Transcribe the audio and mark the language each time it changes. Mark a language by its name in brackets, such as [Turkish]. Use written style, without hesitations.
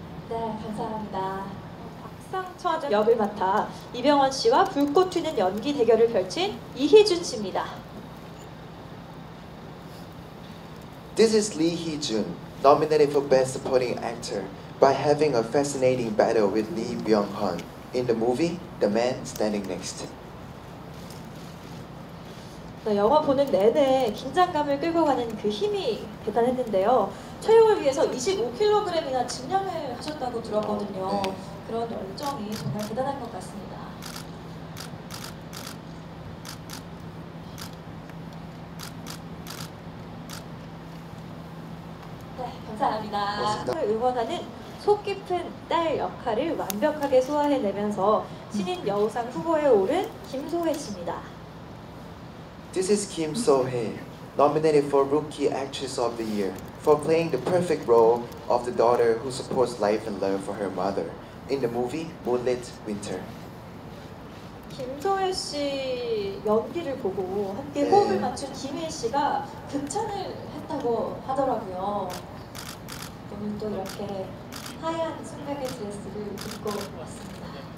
[Korean] 네, 감사합니다. 박상철 역을 맡아 이병헌 씨와 불꽃 튀는 연기 대결을 펼친 이희준 씨입니다. [English] This is Lee Hee-jun, nominated for Best Supporting Actor. By having a fascinating battle with Lee Byung-hun in the movie The Man Standing Next. [Korean] 영화 보는 내내 긴장감을 끌고 가는 그 힘이 대단했는데요. 체형을 위해서 25kg이나 증량을 하셨다고 들었거든요. 네. 그런 열정이 정말 대단한 것 같습니다. 감사합니다. 응원하는 속 깊은 딸 역할을 완벽하게 소화해내면서 신인 여우상 후보에 오른 김소혜 씨입니다. [English] This is Kim So-hae, nominated for Rookie Actress of the Year for playing the perfect role of the daughter who supports life and love for her mother in the movie Moonlit Winter. [Korean] 김소혜 씨 연기를 보고 함께 네. 호흡을 맞춘 김혜 씨가 극찬을 했다고 하더라고요. 오늘 또 이렇게 하얀 순백의 드레스를 입고 왔습니다.